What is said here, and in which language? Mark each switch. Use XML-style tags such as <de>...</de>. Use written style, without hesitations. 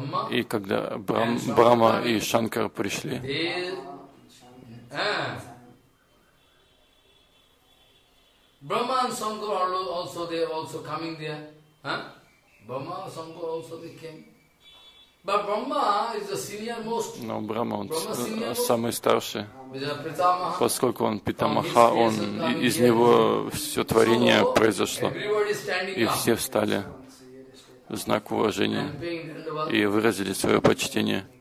<ru>И когда Брахма и Шанкар пришли,</ru> <en>Brahma and Shankar also they also coming there, huh? Brahma and Shankar also they came. But Brahma is the senior most.</en> <ru>Но Брахма, он самый старший.</ru> <en>Because</en> <ru>поскольку он Питамаха, он из него все творение</ru> <en>so,</en> <ru>произошло. И все встали в знак уважения и выразили свое почтение.</ru>